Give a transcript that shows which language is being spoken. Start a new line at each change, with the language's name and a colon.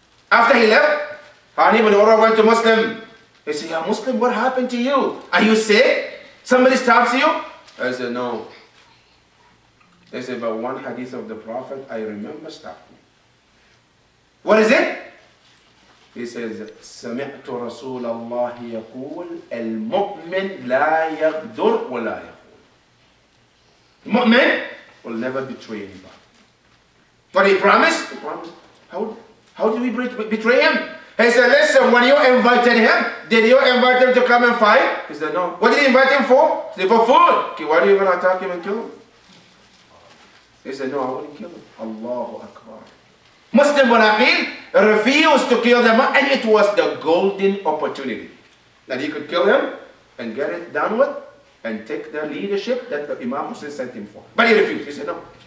English: After he left, Hani ibn Urwa went to Muslim. He said, yeah, Muslim, what happened to you? Are you sick? Somebody stops you? I said, no. They said, but one hadith of the Prophet I remember stopped me. What is it? He says,
Arabic: سَمِعْتُ رَسُولَ اللَّهِ يَقُولَ الْمُؤْمِنْ لَا يَغْدُرْ وَلَا يَقُولَ
English: Mu'min will never betray anybody. But he promised? He promised. How did we betray him? He said, listen, when you invited him, did you invite him to come and fight? He said, no. What did you invite him for? He said, for food. Okay, why do you even attack him and kill him? He said, no, I wouldn't kill him. Allahu Akbar. Muslim bin Aqil refused to kill them, and it was the golden opportunity that he could kill him and get it done with and take the leadership that the Imam Hussein sent him for. But he refused. He said, no.